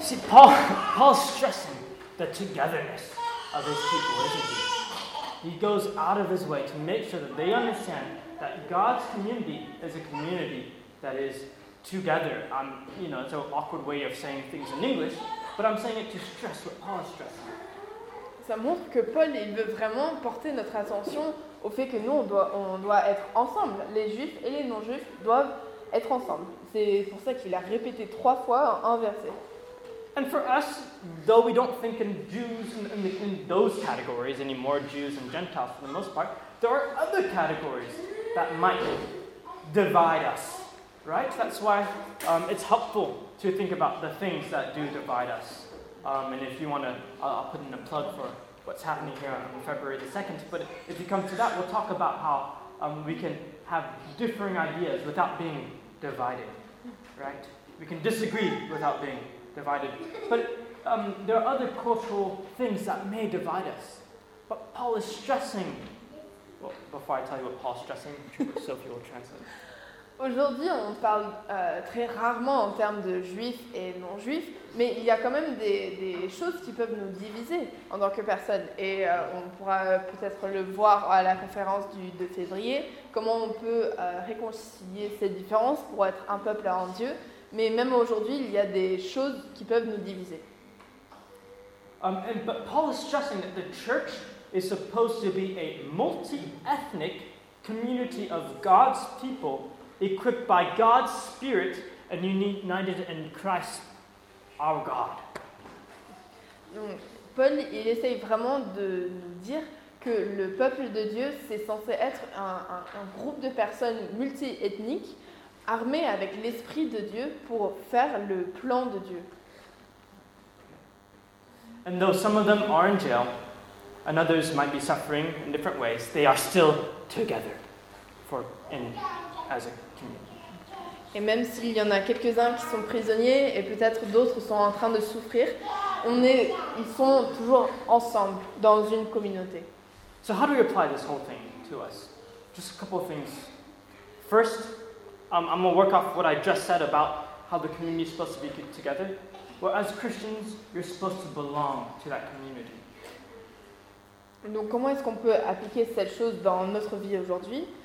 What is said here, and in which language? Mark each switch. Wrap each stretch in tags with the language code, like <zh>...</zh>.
<en>See, Paul's stressing the togetherness of his people, isn't he? He goes out of his way to make sure that they understand that God's community is a community that is together. You know, it's an awkward way of saying things in English, but I'm saying it to stress what Paul is stressing.</en> <fr>Ça montre que Paul, il veut vraiment porter notre attention au fait que nous, on doit être ensemble. Les juifs et les non-juifs doivent être ensemble. C'est pour ça qu'il a répété 3 fois un verset.</fr> <en>And for us, though we don't think in Jews in those categories anymore, Jews and Gentiles for the most part, there are other categories that might divide us, right? That's why it's helpful to think about the things that do divide us. And if you want to, I'll put in a plug for what's happening here on February the 2nd. But if you come to that, we'll talk about how we can have differing ideas without being divided, right? We can disagree without being divided. But there are other cultural things that may divide us. But Paul is stressing. Well, before I tell you what Paul is stressing, Sophie will translate.</en> <fr>Aujourd'hui, on parle très rarement en termes de juifs et non-juifs, mais il y a quand même des choses qui peuvent nous diviser en tant que personnes. Et on pourra peut-être le voir à la conférence du 2 février, comment on peut réconcilier ces différences pour être un peuple en Dieu. Mais même aujourd'hui, il y a des choses qui peuvent nous diviser.</fr> <en>But Paul is stressing that the church is supposed to be a multi-ethnic community of God's people, equipped by God's Spirit and united in Christ, our God.</en> <fr>Donc, Paul, il essaye vraiment de nous dire que le peuple de Dieu, c'est censé être un groupe de personnes multi-ethniques armées avec l'Esprit de Dieu pour faire le plan de Dieu.</fr> <en>And though some of them are in jail, and others might be suffering in different ways, they are still together as a</en> <fr>Et même s'il y en a quelques-uns qui sont prisonniers et peut-être d'autres sont en train de souffrir, ils sont toujours ensemble dans une communauté.</fr> <en>So how do we apply this whole thing to us? Just a couple of things. First, I'm going to work off what I just said about how the community is supposed to be together. Well, as Christians, you're supposed to belong to that community.</en> <fr>Donc comment est-ce qu'on peut appliquer cette chose dans notre vie aujourd'hui?</fr>